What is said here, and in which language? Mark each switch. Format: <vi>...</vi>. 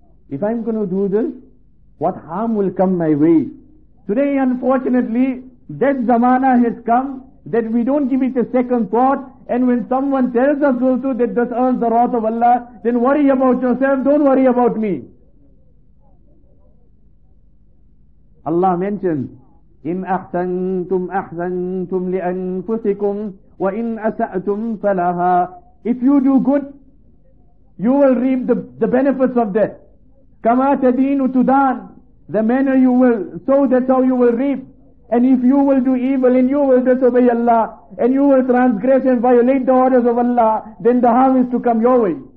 <en>If I'm going to do this, what harm will come my way? Today, unfortunately, that zamana has come that we don't give it a second thought. And when someone tells us also that this earns the wrath of Allah, then worry about yourself, don't worry about me. Allah mentions,</en> <ar>إِنْ أَحْسَنْتُمْ أَحْسَنْتُمْ لِأَنفُسِكُمْ وَإِنْ أَسَأْتُمْ فَلَهَا.</ar> <en>If you do good, you will reap the benefits of that.</en> <ar>كَمَا تَدِينُ تُدَانُ.</ar> <en>The manner you will sow, that's how you will reap. And if you will do evil and you will disobey Allah and you will transgress and violate the orders of Allah, then the harm is to come your way.</en>